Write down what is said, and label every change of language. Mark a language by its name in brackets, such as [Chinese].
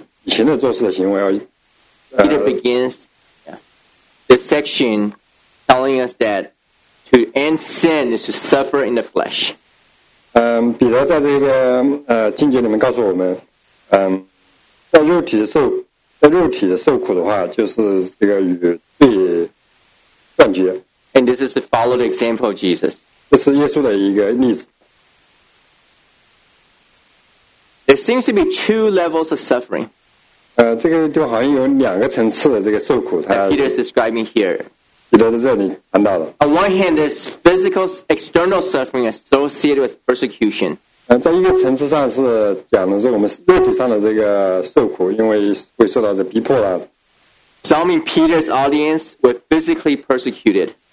[Chinese] 这一个对比这个清单，这个罪恶和美的这个单清单，告诉我们应该远离我们以前的做事的行为。Peter [English] begins this section telling us that to end sin is to suffer in the flesh. [Chinese] 彼得在这个经节里面告诉我们，在肉体的受苦的话，就是这个与罪断绝。 [English] And this is to follow the example of Jesus. [Chinese] 这是耶稣的一个例子。 [English] There seems to be two levels of suffering. [Chinese] 这个就好像有两个层次的这个受苦。Peter [English] is describing here. On one hand, there's physical external suffering associated with persecution. [Chinese] 在一个层次上是讲的是我们肉体上的这个受苦，因为会受到这逼迫啊。 [English] Some in Peter's audience were physically persecuted.